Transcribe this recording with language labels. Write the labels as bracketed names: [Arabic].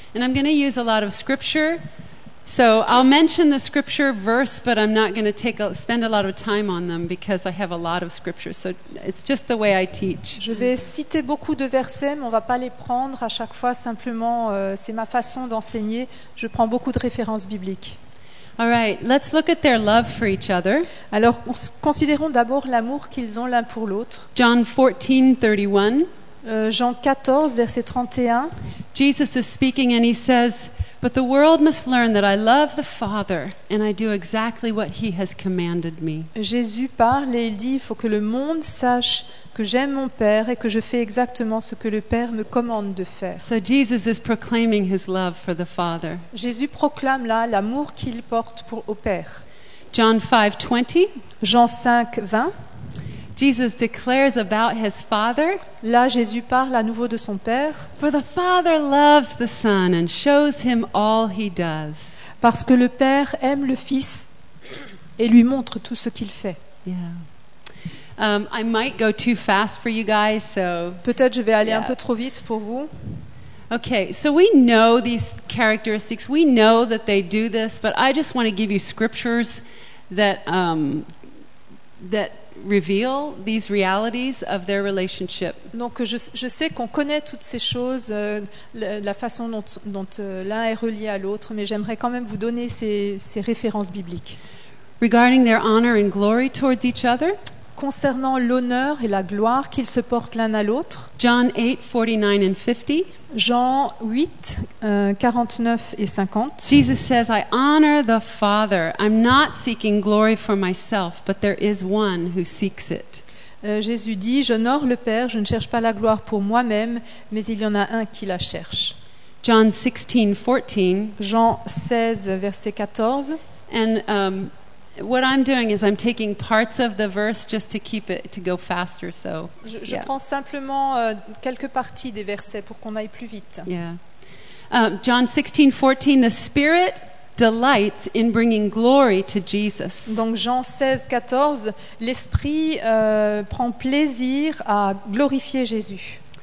[English] And I'm going to use a lot of scripture. So I'll mention the scripture verse, but I'm not going to spend a lot of time on them because I have a lot of scripture. So it's just the way I teach. [French] Je vais citer beaucoup de versets, mais on va pas les prendre à chaque fois. Simplement, c'est ma façon d'enseigner. Je prends beaucoup de références bibliques. [English] All right, let's look at their love for each other. [French] Alors, considérons d'abord l'amour qu'ils ont l'un pour l'autre. [English] John 14, 31. [French] Jean 14, verset 31. [English] Jesus is speaking and he says, but the world must learn that I love the Father and I do exactly what he has commanded me. [French] Jésus parle et il dit, il faut que le monde sache que j'aime mon Père et que je fais exactement ce que le Père me commande de faire. [English] So Jesus is proclaiming his love for the Father. [French] Jésus proclame là l'amour qu'il porte au Père. [English] John 5, 20. [French] Jean 5, 20. [English] Jesus declares about his father. [French] Là, Jésus parle à nouveau de son père. [English] For the father loves the son and shows him all he does. [French] Parce que le père aime le fils et lui montre tout ce qu'il fait. [English] Yeah. I might go too fast for you guys, so. [French] Peut-être je vais aller un peu trop vite pour vous. [English] Okay, so we know these characteristics. We know that they do this, but I just want to give you scriptures that that reveal these realities of their relationship. [French] Donc je sais qu'on connaît toutes ces choses, la façon dont l'un est relié à l'autre, mais j'aimerais quand même vous donner ces références bibliques. [English] Regarding their honor and glory towards each other. [French] Concernant l'honneur et la gloire qu'ils se portent l'un à l'autre. [English] John 8, 49 and 50. [French] Jean 8, 49 et 50. [English] Jesus says, I honor the Father. I'm not seeking glory for myself, but there is one who seeks it. [French] Jésus dit, j'honore le Père, je ne cherche pas la gloire pour moi-même, mais il y en a un qui la cherche. [English] John 16, 14. [French] Jean 16, verset 14. [English] And what I'm doing is I'm taking parts of the verse just to keep it to go faster. So [French] je prends simplement quelques parties des versets pour qu'on aille plus vite. [English] Yeah. John 16:14, the Spirit delights in bringing glory to Jesus. [French] Donc Jean 16:14, l'Esprit prend plaisir à glorifier Jésus.